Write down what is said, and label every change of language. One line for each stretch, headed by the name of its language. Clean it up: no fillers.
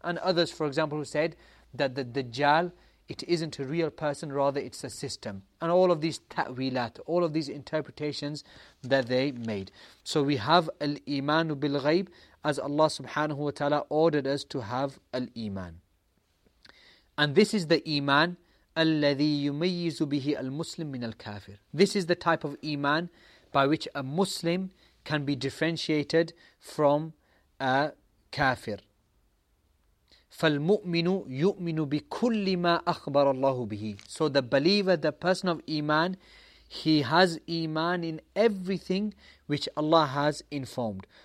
English: And others, for example, who said that the Dajjal, it isn't a real person, rather it's a system. And all of these ta'wilat, all of these interpretations that they made. So we have al-imanu bil-ghayb, as Allah subhanahu wa ta'ala ordered us to have al-iman. And this is the iman,
Arabic: الَّذِي يُمَيِّزُ بِهِ الْمُسْلِمِ مِنَ الْكَافِرِ.
English: This is the type of iman by which a Muslim can be differentiated from a kafir.
Arabic: فَالْمُؤْمِنُ يُؤْمِنُ بِكُلِّ مَا أَخْبَرَ اللَّهُ بِهِ.
English: So the believer, the person of iman, he has iman in everything which Allah has informed.